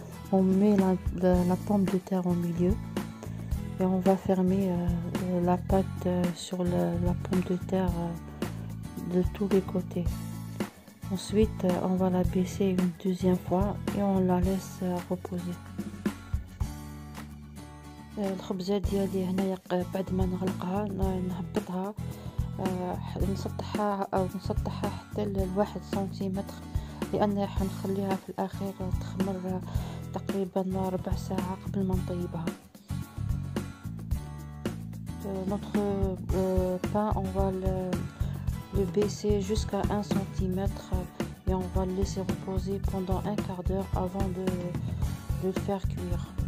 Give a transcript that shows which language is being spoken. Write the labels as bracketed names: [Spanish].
[French] On met la pomme de terre au milieu et on va fermer la pâte sur la pomme de terre de tous les côtés. Ensuite, on va la baisser une deuxième fois et on la laisse reposer. [Arabic] الخبزة ديالي هنايا بعد ما نغلقها نهبطها نسطحها أو نسطحها حتى الواحد سنتيمتر، لأن راح نخليها في الأخير تخمر تقريبا ربع ساعة قبل ما نطيبها. [French] notre pain on va le baisser jusqu'à 1 cm et on va le laisser reposer pendant un quart d'heure avant de le faire cuire.